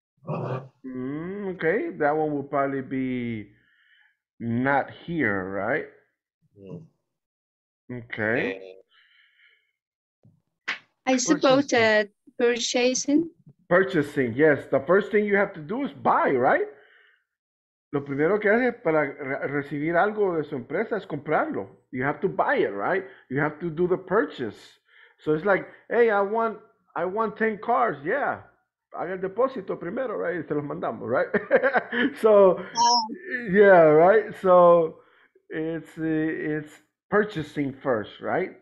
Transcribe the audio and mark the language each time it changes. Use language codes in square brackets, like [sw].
[en] Okay, that one will probably be not here, right? Yeah. Okay. I suppose purchasing. Purchasing, yes. The first thing you have to do is buy, right? [es] Lo primero que hace para recibir algo de su empresa es comprarlo. [en] You have to buy it, right? You have to do the purchase. So it's like, hey, I want 10 cars, yeah. [es] Haga el depósito primero, right? Se los mandamos, right? [en] So, yeah, right? So, it's purchasing first, right?